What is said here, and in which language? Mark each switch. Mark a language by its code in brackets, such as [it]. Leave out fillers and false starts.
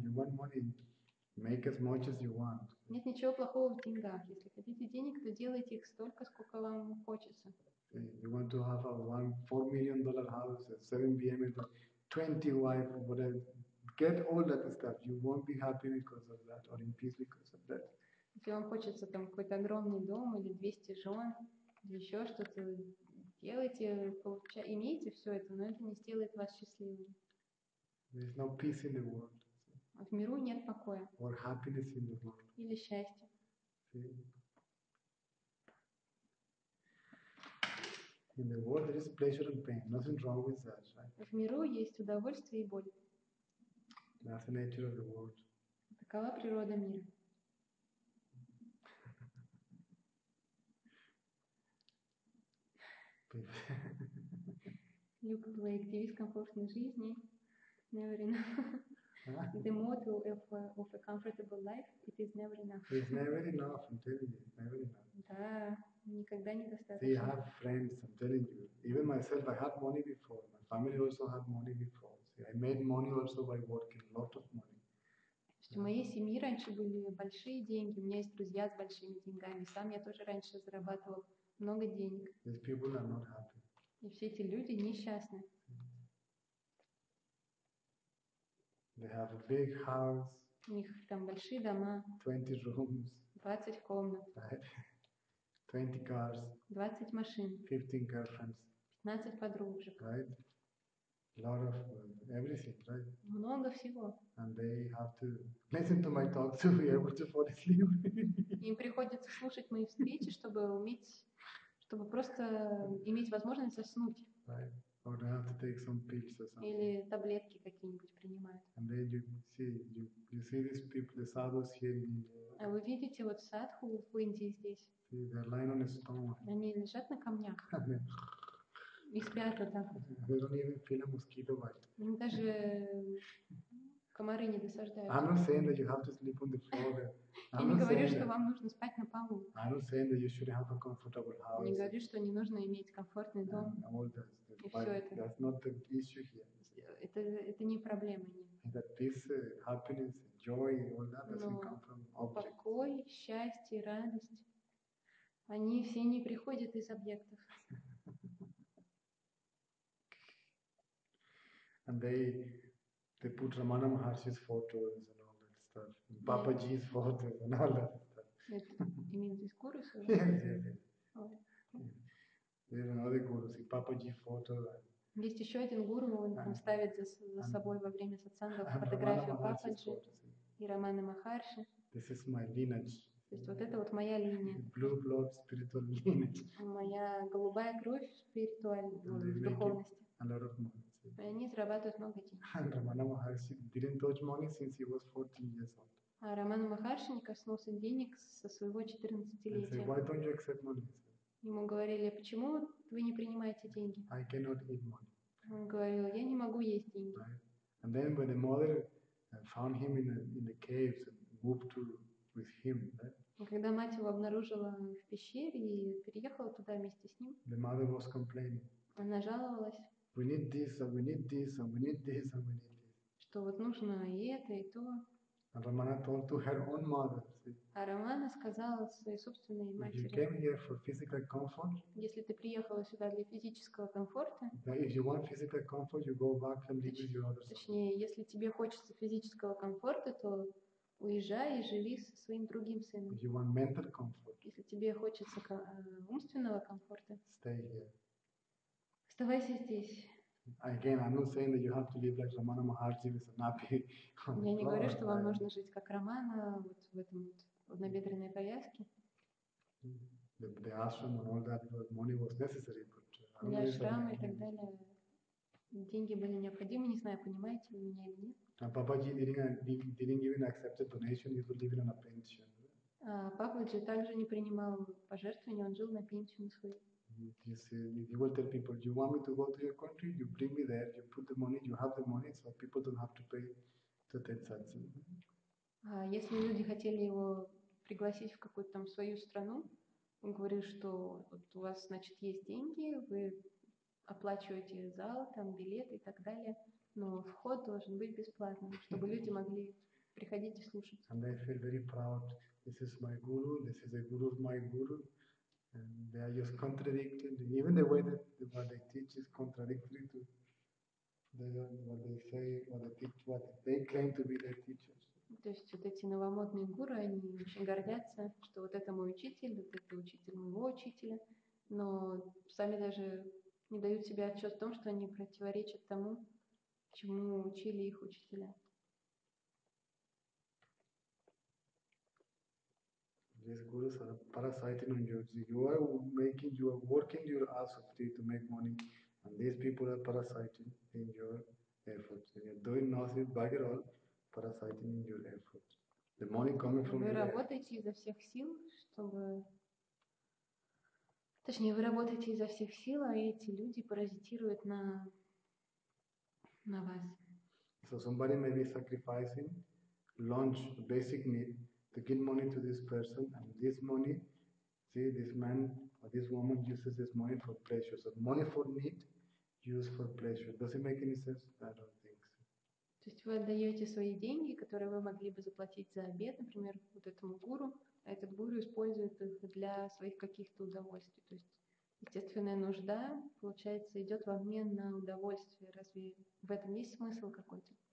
[en] You want money, make as much as you want. [ru] Нет ничего плохого в деньгах. Если хотите денег, то делайте их столько, сколько вам хочется. [en] You want to have a $1-4 million house, a 7 BMW, 20 wives, whatever. Get all that stuff. You won't be happy because of that, or in peace because of that. [ru] Если вам хочется там какой-то огромный дом или 200 жён, или еще что-то, делайте, получайте, имейте все это, но это не сделает вас счастливым. [en] There is no peace in the world. [ru] В миру нет покоя. [en] Or happiness in the world. [ru] Или счастье. [en] In the world there is pleasure and pain. Nothing wrong with that, right? [ru] В миру есть удовольствие и боль. [en] That's the nature of the world. [ru] Такова природа мира. Любой активист комфортной жизни. [en] Never enough. The motto of a comfortable life, it is never enough. It's never enough, I'm telling you, never enough. [ru] Да, никогда недостаточно. [en] See, I have friends, I'm telling you. Even myself, I had money before. My family also had money before. See, I made money also by working, a lot of money. [ru] У моей семьи раньше были большие деньги. У меня есть друзья с большими деньгами. Сам я тоже раньше зарабатывал много денег. [en] These people are not happy. [ru] И все эти люди несчастны. [en] They have a big house. [ru] У них там большие дома. [en] 20 rooms. [ru] 20 комнат. [en] 20 cars. [ru] 20 машин. [en] 15 girlfriends. [ru] 15 подружек. [en] Right. A lot of everything, right? [ru] Много всего. [en] And they have to listen to my talk to be able to fall asleep. [ru] Им приходится слушать мои встречи, чтобы уметь, чтобы просто иметь возможность заснуть. [en] Right. Or they have to take some pills or something. [ru] Или таблетки какие-нибудь принимают. [en] And then you see these people, the sadhus here in India. [ru] А вы видите вот садху в Индии здесь? [en] See, they're lying on a stone. [ru] Они лежат на камнях. И спят вот так вот. [en] They don't even feel a mosquito bite. [ru] Им даже комары не досаждают. [en] I'm not saying that you have to sleep on the floor. [ru] Я не говорю, что вам нужно спать на полу. [en] I'm not saying that you should have a comfortable house. [ru] Не говорю, что не нужно иметь комфортный дом. И [en] but [ru] все это. [en] That's not the issue here. [ru] Это не проблема, нет. [en] That peace, happiness, joy, all that doesn't come from objects. [ru] Покой, счастье, радость, они все не приходят из объектов. [en] And they put Ramana Maharshi's photos and all that stuff, Babaji's photos and all that stuff. You mean these gurus? Yes. There's another guru, see Papaji photo. [ru] Есть еще один гуру, он там ставит за собой во время сатсанга фотографию Пападжи и Рамана Махарши. [en] This is my lineage. [ru] То есть вот это вот моя линия. [en] Blue blood spiritual lineage. [ru] Моя голубая кровь спиритуальная в духовности. [en] A lot of money. [ru] Они зарабатывают много денег. [en] And Ramana Maharshi didn't touch money since he was 14 years old. [ru] А Рамана Махарши не коснулся денег со своего 14-летия. [en] They say, why don't you accept money? [ru] Ему говорили, почему вы не принимаете деньги? [en] I cannot eat money. [ru] Он говорил, я не могу есть деньги. [en] Right. And then when the mother and found him in the caves and moved to with him. [ru] Когда мать его обнаружила в пещере и переехала туда вместе с ним, [en] the mother was complaining. [ru] Она жаловалась. [en] We need this, and we need this, and we need this, and we need this. [ru] Что вот нужно и это, и то. [en] And Ramana told to her own mother. [ru] А Рамана сказала своей собственной матери. [en] If you came here for physical comfort, [ru] если ты приехала сюда для физического комфорта, [en] if you want physical comfort, you go back and live with your other son. [ru] Точнее, если тебе хочется физического комфорта, то уезжай и живи со своим другим сыном. [en] If you want mental comfort, [ru] если тебе хочется умственного комфорта, [en] stay here. [ru] Оставайся здесь. [en] Again, I'm not saying that you have to live like Ramana Maharshi with a nappy. [ru] Я не говорю, что вам нужно жить как Рамана вот в этом вот в набедренной повязке. [en] The ashram and all that money was necessary, but [ru] для ашрама и так далее деньги были необходимы. Не знаю, понимаете вы меня или нет. [en] Бабаджи didn't even accept a donation, he was living on a pension. [ru] Бабаджи также не принимал пожертвования, он жил на пенсию своей. [en] He will tell people, you want me to go to your country, you bring me there, you put the money, you have the money, so people don't have to pay the 10 cents. [ru] Если люди хотели его пригласить в какую-то там свою страну, он говорит, что вот у вас, значит, есть деньги, вы оплачиваете зал, там билеты и так далее. Но вход должен быть бесплатным, чтобы люди могли приходить и слушать. [en] And I feel very proud. This is my guru, this is the guru of my guru. And they are just contradicting. Even the way that what they teach is contradictory to what they say, what they teach, what they claim to be their teachers. [ru] То есть вот эти новомодные гуру, они очень гордятся, что вот это мой учитель, вот это учитель моего учителя, но сами даже не дают себе отчет в том, что они противоречат тому, чему учили их учителя. [en] These gurus are parasiting on you. You are making, you are working your ass off to make money, and these people are parasiting in your efforts. And you're doing nothing back at all, parasiting in your efforts. The money coming from you. [ru] Вы работаете изо всех сил, чтобы, точнее, вы работаете изо всех сил, а эти люди паразитируют на вас. [en] So somebody may be sacrificing lunch, basic need, to give money to this person, and this money, see, this man or this woman uses this money for pleasure. So money for need, used for pleasure. Does it make any sense? I don't think so. [ru] То есть вы отдаете свои деньги, которые вы могли бы заплатить за обед, например, вот этому гуру, а этот гуру использует их для своих каких-то удовольствий. То есть естественная нужда, получается, идет в обмен на удовольствие. Разве в этом есть смысл какой-то?